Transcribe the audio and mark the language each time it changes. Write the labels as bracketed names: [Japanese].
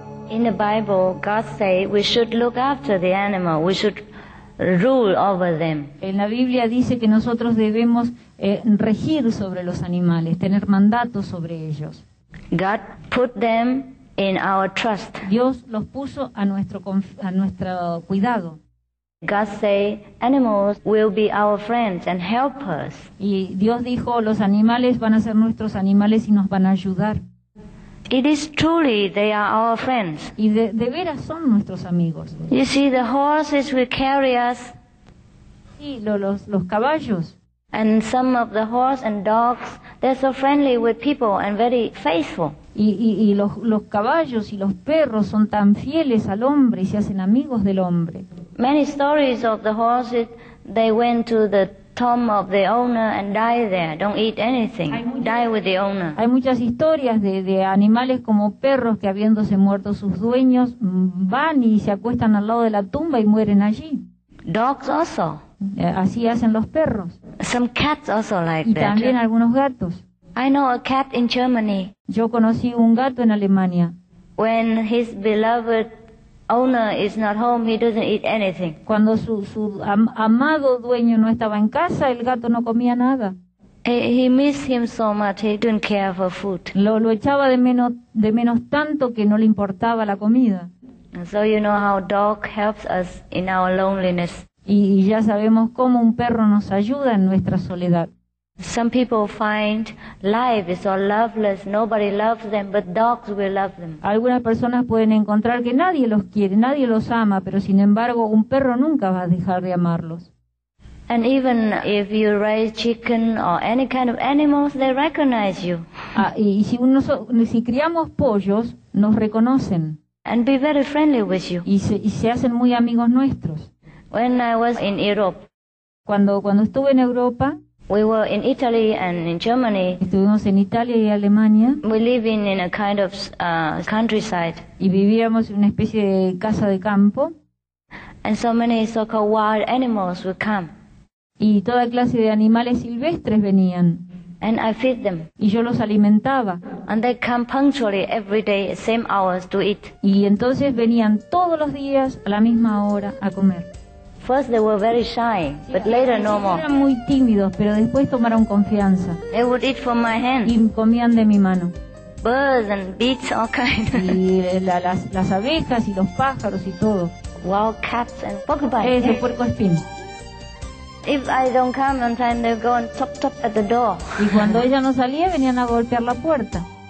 [English] In the Bible, God says we should look after the animal, we should rule over them. [Spanish] En la Biblia dice que nosotros debemos regir sobre los animales, tener mandato sobre ellos. [English] God put them in our trust. [Spanish] Dios los puso a nuestro cuidado. [English] God says animals will be our friends and helpers. [Spanish] Y Dios dijo, los animales van a ser nuestros animales y nos van a ayudar. [English] It is truly they are our friends. [Spanish] Y de veras son nuestros amigos. [English] You see, the horses will carry us. [Spanish] Sí, los caballos. [English] And some of the horse and dogs, they're so friendly with people and very faithful. [Spanish] Y los caballos y los perros son tan fieles al hombre y se hacen amigos del hombre. [English] Many stories of the horses, they went to the tomb of the owner and die there, don't eat anything, die with the owner. [Spanish] Hay muchas historias de animales como perros que habiéndose muerto sus dueños van y se acuestan al lado de la tumba y mueren allí. [English] Dogs also. [Spanish] Así hacen los perros. [English] Some cats also like that. [Spanish] Y también algunos gatos. [English] I know a cat in Germany. [Spanish] Yo conocí un gato en Alemania. [English] When his beloved owner is not home, he doesn't eat anything. [Spanish] Cuando su amado dueño no estaba en casa, el gato no comía nada. [English] He missed him so much, he didn't care for food. [Spanish] Lo echaba de menos tanto que no le importaba la comida. [English] And so you know how dog helps us in our loneliness. [Spanish] Y ya sabemos cómo un perro nos ayuda en nuestra soledad. [English] Some people find life is all loveless, nobody loves them, but dogs will love them. [Spanish] Algunas personas pueden encontrar que nadie los quiere, nadie los ama, pero sin embargo un perro nunca va a dejar de amarlos. [English] And even if you raise chicken or any kind of animals, they recognize you. [Spanish] Y si criamos pollos, nos reconocen. [English] And be very friendly with you. [Spanish] Y se hacen muy amigos nuestros. [English] When I was in Europe. [Spanish] Cuando estuve en Europa. [English] We were in Italy and in Germany. [Spanish] Estuvimos en Italia y Alemania. [English] We lived in a kind of countryside. [Spanish] Y vivíamos en una especie de casa de campo. [English] And so many so-called wild animals would come. [Spanish] Y toda clase de animales silvestres venían. [English] And I feed them. [Spanish] Y yo los alimentaba. [English] And they come punctually every day, same hours to eat. [Spanish] Y entonces venían todos los días a la misma hora a comer. [English] First they were very shy, but later no more. [Spanish] Eran muy tímidos, pero después tomaron confianza. [English] They would eat from my hand. [Spanish] Y comían de mi mano. [English] Birds and bees, all kinds. [Spanish] Y las abejas y los pájaros y todo. [English] Wild cats and porcupines. [Spanish] Eso, puerco espín. [English] If I don't come on time, they go and top top at the door. [Spanish] Y cuando ella no salía, venían a golpear la puerta.